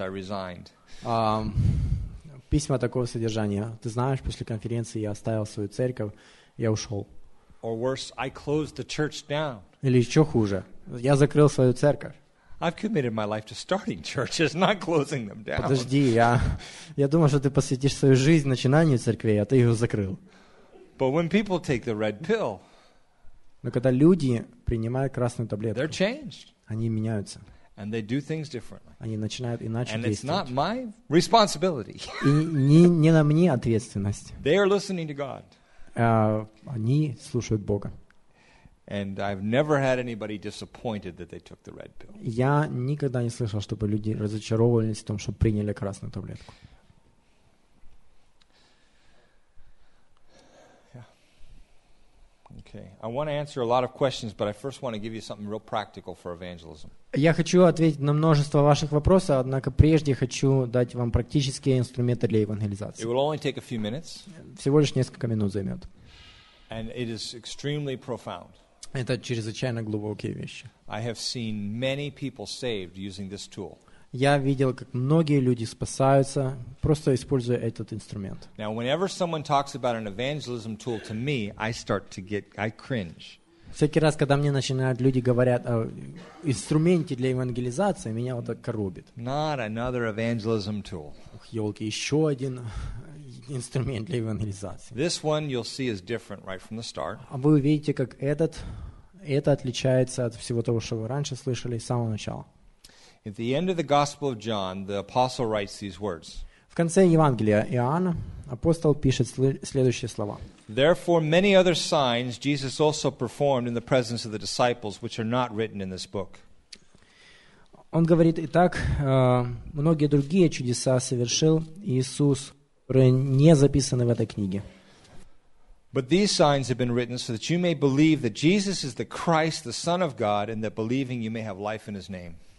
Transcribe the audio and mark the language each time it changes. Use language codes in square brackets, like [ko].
[en] I resigned." [ru] Письма такого содержания. Ты знаешь, после конференции я оставил свою церковь, я ушел. [en] Or worse, I closed the church down. [ru] Или еще хуже, я закрыл свою церковь. [en] I've committed my life to starting churches, not closing them down. [ru] Подожди, я думал, что ты посвятишь свою жизнь начинанию церкви, а ты ее закрыл. [en] But when people take the red pill, [ru] но когда люди принимают красную таблетку, [en] they're changed. [ru] Они меняются. [en] And they do things differently. [ru] Они начинают иначе действовать. [en] And it's not my responsibility. [ru] И не на мне ответственность. [en] They are listening to God. [ru] Они слушают Бога. [en] And I've never had anybody disappointed that they took the red pill. [ru] Я никогда не слышал, чтобы люди разочаровывались в том, что приняли красную таблетку. [en] Okay. I want to answer a lot of questions, but I first want to give you something real practical for evangelism. [ru] Я хочу ответить на множество ваших вопросов, однако прежде хочу дать вам практические инструменты для евангелизации. [en] It will only take a few minutes. [ru] Всего лишь несколько минут займет. [en] And it is extremely profound. [ru] Это чрезвычайно глубокие вещи. [en] I have seen many people saved using this tool. [ru] Я видел, как многие люди спасаются, просто используя этот инструмент. [en] Now, whenever someone talks about an evangelism tool to me, I cringe. [ru] Всякий раз, когда мне начинают люди говорят о инструменте для евангелизации, меня вот так коробит. [en] Not another evangelism tool. [ru] Ух, ёлки, еще один инструмент для евангелизации. [en] This one you'll see is different right from the start. [ru] А вы увидите, как это отличается от всего того, что вы раньше слышали с самого начала. [en] At the end of the Gospel of John, the apostle writes these words. [ru] В конце Евангелия Иоанна апостол пишет следующие слова. [en] Therefore, many other signs Jesus also performed in the presence of the disciples, which are not written in this book. [ru] Он говорит: Итак, многие другие чудеса совершил Иисус, которые не записаны в этой книге. [en] But these signs have been written so that you may believe that Jesus is the Christ, the Son of God, and that believing you may have life in His name.